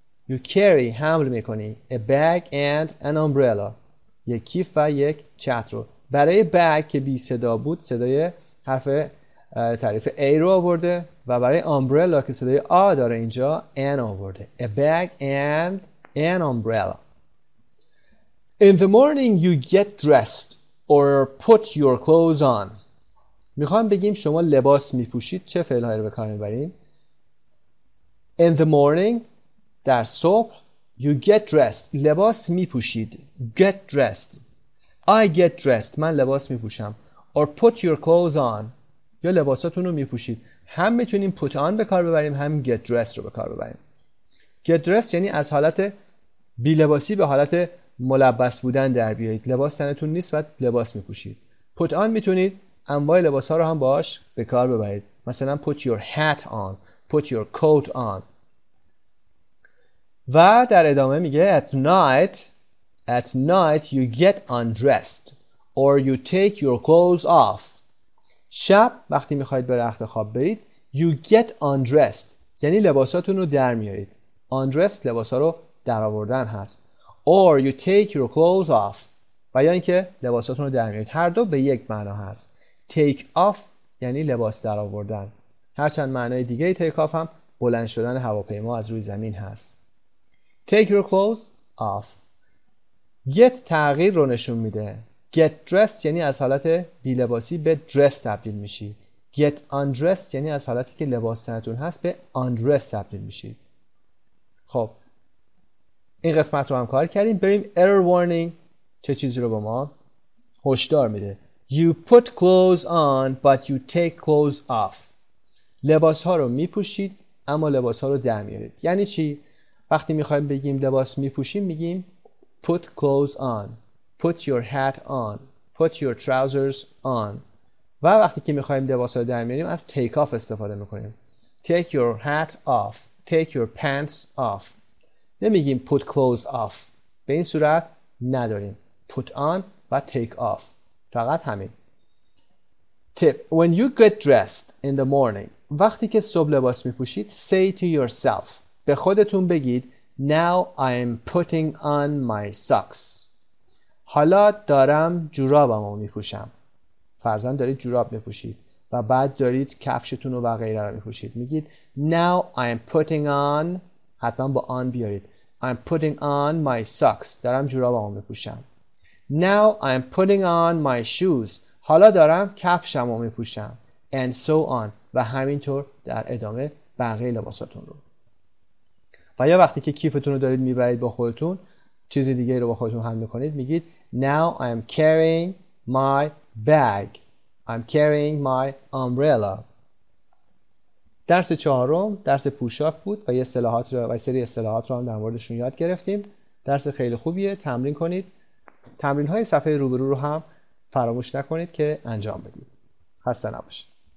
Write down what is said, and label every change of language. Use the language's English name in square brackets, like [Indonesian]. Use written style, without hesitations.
[Persian] you carry، حمل میکنی، [English] a bag and an umbrella، [Persian] یک کیف و یک چتر رو. برای bag که بی صدا بود، صدای حرف تعریف A رو آورده و برای umbrella که صدای A داره اینجا an آورده. [English] A bag and an umbrella. In the morning you get dressed or put your clothes on. [Persian] میخوام بگیم شما لباس میپوشید چه فعلهایی رو به کار میبریم؟ [English] In the morning [Persian] در صبح [English] you get dressed [Persian] لباس میپوشید. [English] Get dressed. I get dressed [Persian] من لباس میپوشم. [English] Or put your clothes on [Persian] یا لباساتون رو میپوشید. هم میتونیم put on به کار ببریم هم get dressed رو به کار ببریم. Get dressed یعنی از حالت بی لباسی به حالت ملبس بودن در بیایید. لباس تنتون نیست و لباس میپوشید. Put on میتونید انواع لباس ها رو هم باش به کار ببرید. [English] مثلا put your hat on, put your coat on. [Persian] و در ادامه میگه [English] at night you get undressed or you take your clothes off. [Persian] شب وقتی میخواید به رخت خواب برید [English] you get undressed [Persian] یعنی لباساتون رو در میارید. Undressed لباس ها رو در آوردن هست. [English] Or you take your clothes off [Persian] و یا اینکه لباساتون رو در میارید. هر دو به یک معنا هست. Take off یعنی لباس در آوردن. هرچند معنای دیگه take off هم بلند شدن هواپیما از روی زمین هست. [English] Take your clothes off. [Persian] Get تغییر رو نشون میده. Get dressed یعنی از حالت بی لباسی به dress تبدیل میشی. Get undressed یعنی از حالتی که لباس تنتون هست به undressed تبدیل میشی. خب این قسمت رو هم کار کردیم. بریم error warning چه چیزی رو به ما هشدار میده. [English] You put clothes on but you take clothes off. [Persian] لباس ها رو میپوشید اما لباس ها رو در میارید. یعنی چی؟ وقتی میخوایم بگیم لباس میپوشیم میگیم [English] put clothes on, put your hat on, put your trousers on. [Persian] و وقتی که میخوایم لباس ها رو در میاریم از take off استفاده میکنیم. [English] Take your hat off, take your pants off. نمیگیم put clothes off. [Persian] به این صورت نداریم. Put on و take off. فقط همین. [English] Tip: When you get dressed in the morning, [Persian] وقتی که صبح لباس میپوشید, [English] say to yourself, [Persian] به خودتون بگید, [English] Now I am putting on my socks. [Persian] حالا دارم جورابمو میپوشم. فرضاً دارید جوراب میپوشید و بعد دارید کفشتون رو و غیره رو میپوشید. میگید [English] Now I am putting on, [Persian] حتما با on بیارید. [English] I'm putting on my socks. [Persian] دارم جورابمو میپوشم. [English] Now I'm putting on my shoes. [Persian] حالا دارم کفشمو میپوشم. [English] And so on. [Persian] و همینطور در ادامه بقیه لباساتون رو. و یا وقتی که کیفتون رو دارید میبرید با خودتون چیز دیگه رو با خودتون حمل میکنید میگید [English] Now I'm carrying my bag. I'm carrying my umbrella. [Persian] درس چهارم درس پوشاک بود و یه سری اصطلاحات رو هم در موردشون یاد گرفتیم. درس خیلی خوبیه. تمرین کنید. تمرین های صفحه روبرو رو هم فراموش نکنید که انجام بدید. خسته نباشید.